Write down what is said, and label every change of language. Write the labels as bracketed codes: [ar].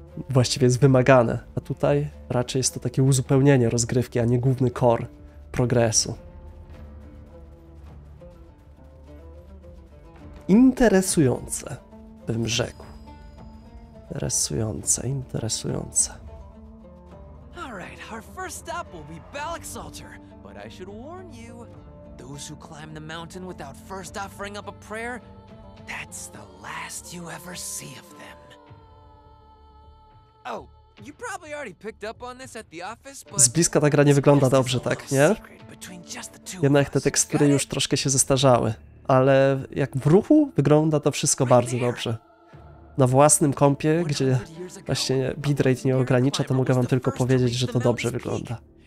[pl] Właściwie jest wymagane, a tutaj raczej jest to takie uzupełnienie rozgrywki, a nie główny core progresu. Interesujące, bym rzekł. Interesujące. [en] All right, our first stop will be Balak's Altar, but I should warn you, those who climb the mountain without first offering up a prayer, that's the last you ever see of them. Oh, you probably already picked up on this at the office, but... [pl] Z bliska ta gra nie wygląda dobrze, tak, nie? Jednak te tekstury już troszkę się zestarzały. Ale jak w ruchu, wygląda to wszystko bardzo dobrze. na własnym kompie, gdzie właśnie bitrate nie ogranicza, to mogę wam tylko powiedzieć, że to dobrze wygląda.